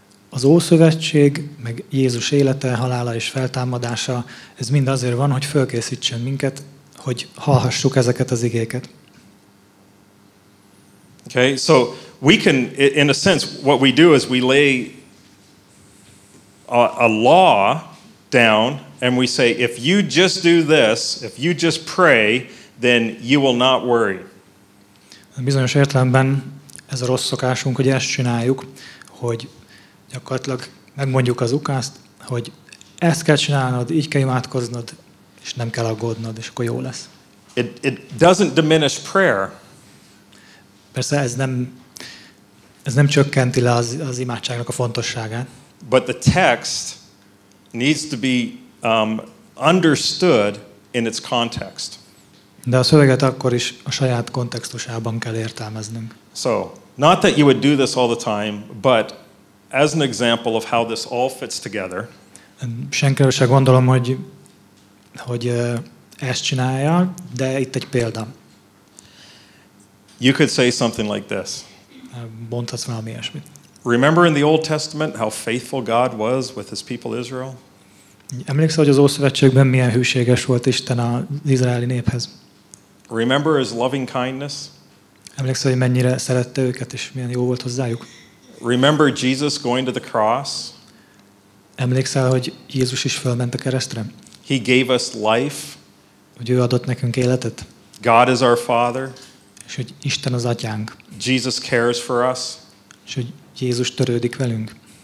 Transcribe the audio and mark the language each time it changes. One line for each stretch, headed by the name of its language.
Hungarian: Az Ószövetség, meg Jézus élete, halála és feltámadása, ez mind azért van, hogy fölkészítsen minket, hogy hallhassuk ezeket az igéket.
English: Okay, so we can, in a sense, what we do is we lay a law down and we say, if you just do this, if you just pray, then you will not worry.
Hungarian: Bizonyos értelemben ez a rossz szokásunk, hogy ezt csináljuk, hogy gyakorlatilag megmondjuk az ukázt, hogy ezt kell csinálnod, így kell imádkoznod, és nem kell aggódnod, és akkor jó lesz.
English: It doesn't diminish prayer.
Hungarian: Persze ez nem csökkenti le az imádságnak a fontosságát.
English: But the text needs to be understood in its context.
Hungarian: De a szöveget akkor is a saját kontextusában kell értelmeznünk.
English: So, not that you would do this all the time, but as an example of how this all fits together.
Hungarian: Senkire se gondolom, hogy ezt csinálja, de itt egy példa.
English: You could say something like this.
Hungarian: Mondhatsz valami ilyesmit.
English: Remember in the Old Testament how faithful God was with his people Israel?
Hungarian: Emlékszel, hogy az Ószövetségben milyen hűséges volt Isten az izraeli néphez?
English: Remember his loving kindness?
Hungarian: Emlékszel, hogy mennyire szerette őket, és milyen jó volt hozzájuk?
English: Remember Jesus going to the cross?
Hungarian: Emlékszel, hogy Jézus is fölment a keresztre?
English: He gave us life.
Hungarian: Hogy ő adott nekünk életet.
English: God is our Father.
Hungarian: És hogy Isten az Atyánk.
English: Jesus cares for us.
Hungarian: És hogy Jézus törődik velünk.